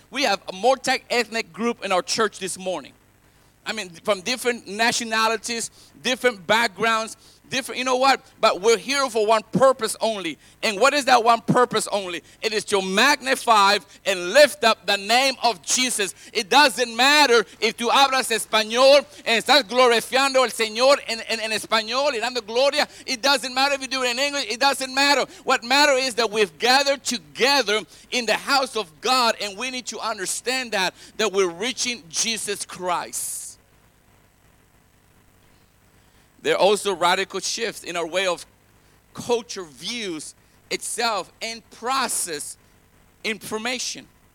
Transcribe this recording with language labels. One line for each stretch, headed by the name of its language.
English: We have a multi-ethnic group in our church this morning. I mean, from different nationalities, different backgrounds, different, you know what? But we're here for one purpose only. And what is that one purpose only? It is to magnify and lift up the name of Jesus. It doesn't matter if
Spanish: tú hablas español and estás glorificando al Señor en español y dando gloria.
English: It doesn't matter if you do it in English. It doesn't matter. What matters is that we've gathered together in the house of God, and we need to understand that we're reaching Jesus Christ. There are also radical shifts in our way of culture views itself and process information.